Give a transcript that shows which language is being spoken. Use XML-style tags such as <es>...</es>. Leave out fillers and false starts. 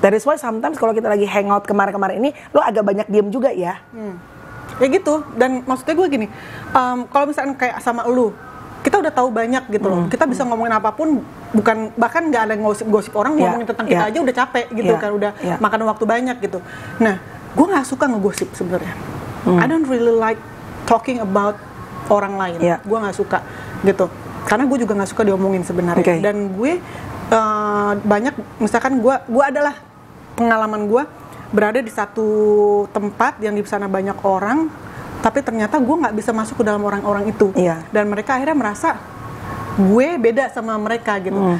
<en>That is why sometimes</en> <id>kalau kita lagi hangout kemarin-kemarin ini, lo agak banyak diem juga ya. Ya gitu, dan maksudnya gue gini, kalau misalkan kayak sama lo, kita udah tahu banyak gitu loh. Kita bisa ngomongin apapun, bukan bahkan gak ada gosip-gosip orang, ngomongin tentang kita aja udah capek gitu kan. Udah makan waktu banyak gitu. Nah, gue gak suka ngegosip sebenarnya.</id> <en>I don't really like talking about</en> <id>orang lain. Gue gak suka gitu. Karena gue juga gak suka diomongin sebenarnya.</id> <en>Okay.</en> <id>Dan gue banyak, misalkan gue adalah pengalaman gue berada di satu tempat yang di sana banyak orang, tapi ternyata gue gak bisa masuk ke dalam orang-orang itu. Iya. Dan mereka akhirnya merasa gue beda sama mereka gitu.</id>